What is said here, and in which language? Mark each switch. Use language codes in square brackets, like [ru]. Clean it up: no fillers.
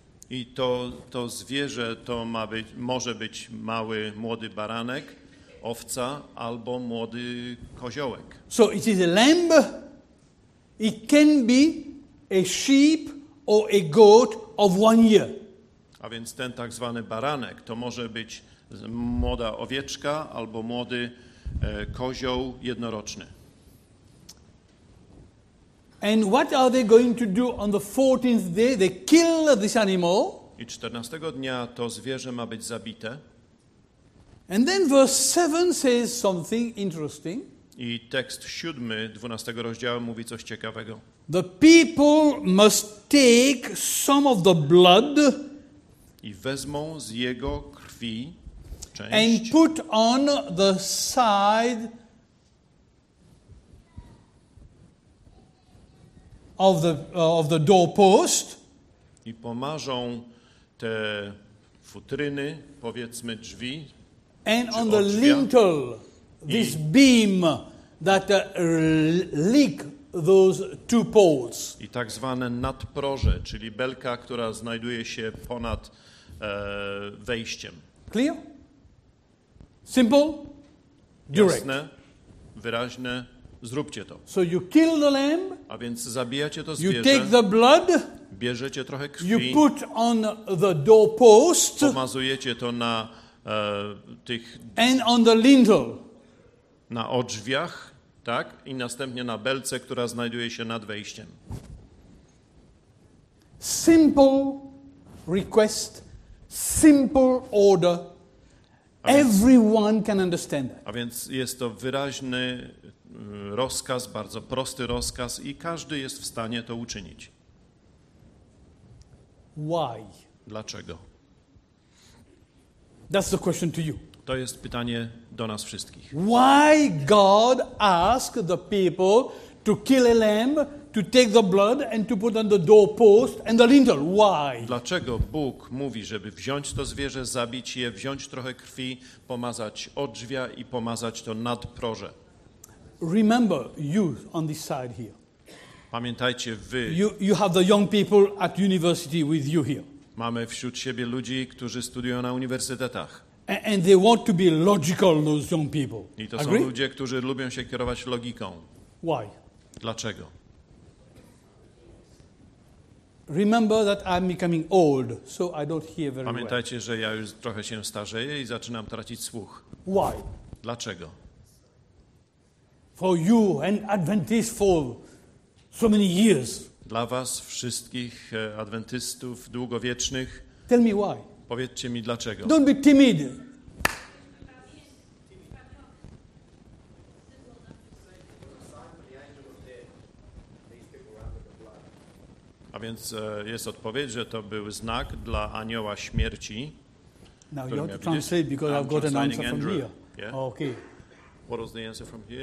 [pl] I to zwierzę to ma być, może być mały, młody baranek, owca albo młody koziołek. [en] So it is a lamb, it can be a sheep or a goat of 1 year. [pl] A więc ten tak zwany baranek to może być młoda owieczka albo młody kozioł jednoroczny. [en] And what are they going to do on the 14th day? They kill this animal. [pl] I 14 dnia to zwierzę ma być zabite. [en] And then verse 7 says something interesting. [pl] I tekst 7, 12 rozdziału mówi coś ciekawego. [en] The people must take some of the blood. [pl] I wezmą z jego krwi część. [en] And put on the side of the doorpost. [pl] I pomarzą te futryny, powiedzmy drzwi. [en] And on the lintel, this beam that link those two poles. [pl] I tak zwane nadproże, czyli belka, która znajduje się ponad wejściem. [en] Clear? Simple? Direct. [pl] Jasne, wyraźne. Zróbcie to. [en] So you kill the lamb. [pl] A więc zabijacie to zwierzę. [en] You take the blood. [pl] Bierzecie trochę krwi. [en] You put on the doorpost. [pl] Pomazujecie to na tych. [en] And on the lintel. [pl] Na odrzwiach, tak? I następnie na belce, która znajduje się nad wejściem. [en] Simple request, simple order. Everyone can understand that. [pl] A więc jest to wyraźny rozkaz, bardzo prosty rozkaz i każdy jest w stanie to uczynić. [en] Why? [pl] Dlaczego? [en] That's the question to you. [pl] To jest pytanie do nas wszystkich. [en] Why God asked the people to kill a lamb, to take the blood and to put on the doorpost and the lintel? Why? [pl] Dlaczego Bóg mówi, żeby wziąć to zwierzę, zabić je, wziąć trochę krwi, pomazać od drzwia i pomazać to nad proże? [en] Remember you on this side here. [pl] Pamiętajcie wy. [en] You have the young people at university with you here. [pl] Mamy wśród siebie ludzi, którzy studiują na uniwersytetach. [en] And they want to be logical, those young people. [pl] I to są ludzie, którzy lubią się kierować logiką. [en] Why? [pl] Dlaczego? [en] Remember that I'm becoming old, so I don't hear very well. [pl] Pamiętajcie, że ja już trochę się starzeję i zaczynam tracić słuch. [en] Why? [pl] Dlaczego? [en] For you and Adventists for so many years. [pl] Dla was wszystkich adwentystów długowiecznych. [en] Tell me why. [pl] Powiedzcie mi dlaczego. [en] Don't be timid. [pl] A więc jest odpowiedź, że to był znak dla anioła śmierci. [en] Now you have to translate because I've got an answer from here. Yeah? Okay. What was the answer from here?